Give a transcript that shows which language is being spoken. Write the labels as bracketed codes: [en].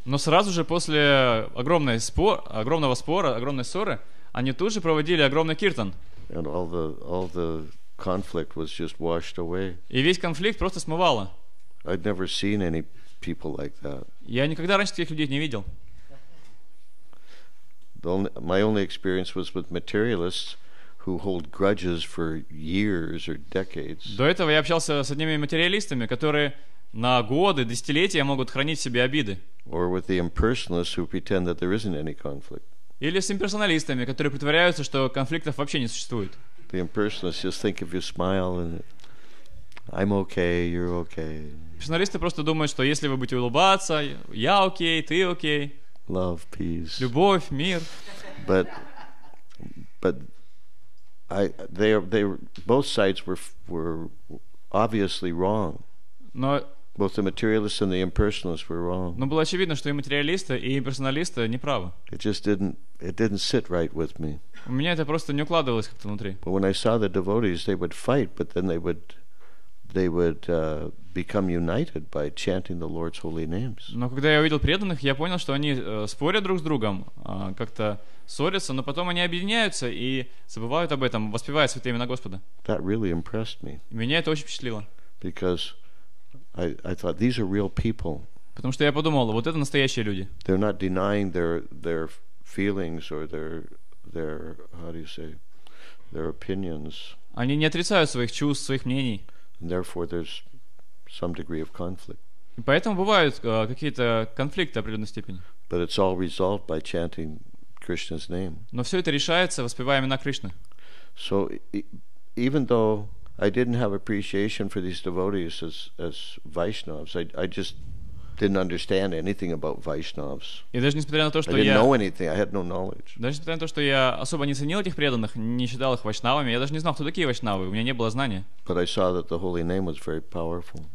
[ru] Но сразу же после огромной ссоры, они тут же проводили огромный киртан. [en] And all the conflict was just washed away. [ru] И весь конфликт просто смывало. [en] I'd never seen any people like that. [ru] Я никогда раньше таких людей не видел. [en] My only experience was with materialists who hold grudges for years or decades. [ru] До этого я общался с одними материалистами, которые на годы, десятилетия могут хранить в себе обиды. [en] Or with the impersonalists who pretend that there isn't any conflict. [ru] Или с имперсоналистами, которые притворяются, что конфликтов вообще не существует. [en] The impersonalists just think if you smile and I'm okay, you're okay. [ru] Персоналисты просто думают, что если вы будете улыбаться, я окей, ты окей. [en] Love, peace. [ru] Любовь, мир. [en] But both sides were obviously wrong. [ru] Но [en] Both the materialists and the impersonalists were wrong. [ru] Но было очевидно, что и материалисты, и имперсоналисты неправы. [en] It didn't sit right with me. [ru] У меня это просто не укладывалось как-то внутри. [en] But when I saw the devotees, they would fight, but then they would become united by chanting the Lord's holy names. [ru] Но когда я увидел преданных, я понял, что они спорят друг с другом, как-то ссорятся, но потом они объединяются и забывают об этом, воспевая святые имена Господа. [en] That really impressed me. [ru] Меня это очень впечатлило. [en] Because I thought these are real people. [ru] Потому что я подумал, вот это настоящие люди. [en] They're not denying their feelings or their how do you say their opinions. [ru] Они не отрицают своих чувств, своих мнений. [en] And therefore, there's some degree of conflict. [ru] И поэтому бывают какие-то конфликты определенной степени. [en] But it's all resolved by chanting Krishna's name. [ru] Но все это решается, воспевая имена Кришны. [en] So even though I didn't have appreciation for these devotees as Vaishnavas. I just didn't understand anything about Vaishnavas. [ru] И даже несмотря на то, что [en] I didn't know anything. I had no knowledge. [ru] Даже несмотря на то, что я особо не ценил этих преданных, не считал их вайшнавами, я даже не знал, кто такие вайшнавы. У меня не было знания. [en] But I saw that the holy name was very powerful.